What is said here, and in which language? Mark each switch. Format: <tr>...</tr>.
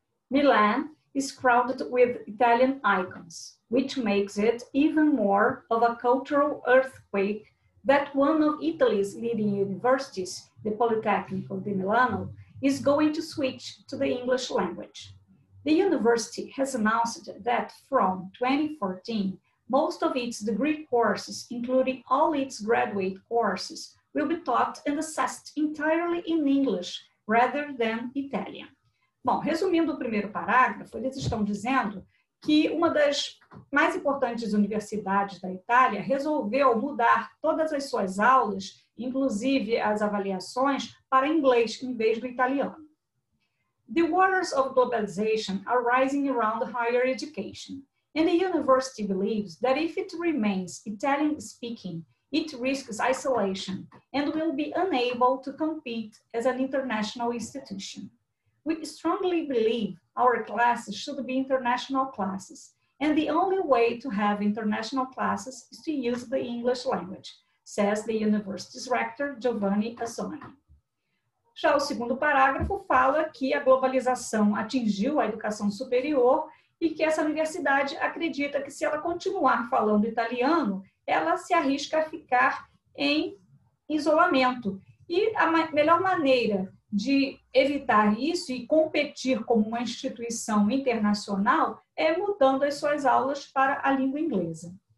<en>Milan is crowded with Italian icons, which makes it even more of a cultural earthquake that one of Italy's leading universities, the Politecnico di Milano, is going to switch to the English language. The university has announced that from 2014, most of its degree courses, including all its graduate courses, will be taught and assessed entirely in English rather than Italian.</en> <pt>Bom, resumindo o primeiro parágrafo, eles estão dizendo que uma das mais importantes universidades da Itália resolveu mudar todas as suas aulas, inclusive as avaliações, para inglês em vez do italiano.</pt> <en>The waters of globalization are rising around higher education, and the university believes that if it remains Italian-speaking, it risks isolation and will be unable to compete as an international institution. We strongly believe our classes should be international classes, and the only way to have international classes is to use the English language, says the university's rector, Giovanni Assoni.</en> <pt>Já o segundo parágrafo fala que a globalização atingiu a educação superior e que essa universidade acredita que, se ela continuar falando italiano, ela se arrisca a ficar em isolamento. E a melhor maneira de evitar isso e competir como uma instituição internacional é mudando as suas aulas para a língua inglesa.</pt>